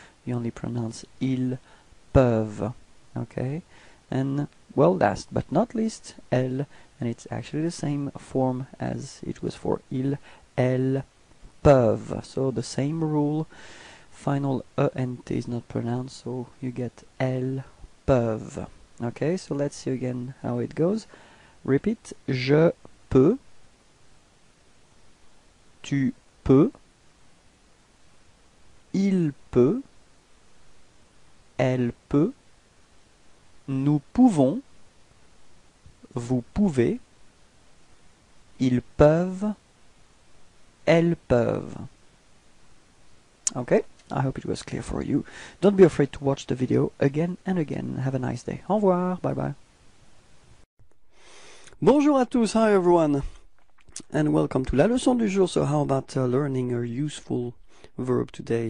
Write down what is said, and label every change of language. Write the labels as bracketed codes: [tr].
[en] You only pronounce [fr] ils peuvent. [en] Okay, and well, last but not least, elle, and it's actually the same form as it was for ils, [fr] elles peuvent. [en] So the same rule, final E-N-T is not pronounced, so you get [fr] elles peuvent. [en] Okay, so let's see again how it goes. [fr] Repeat, je peux, tu peux, il peut, elle peut, nous pouvons, vous pouvez, ils peuvent, elles peuvent. [en] Okay, I hope it was clear for you. Don't be afraid to watch the video again and again. Have a nice day. [fr] Au revoir. [en] Bye bye. [fr] Bonjour à tous. [en] Hi everyone. And welcome to [fr] la leçon du jour. [en] So how about learning a useful verb today?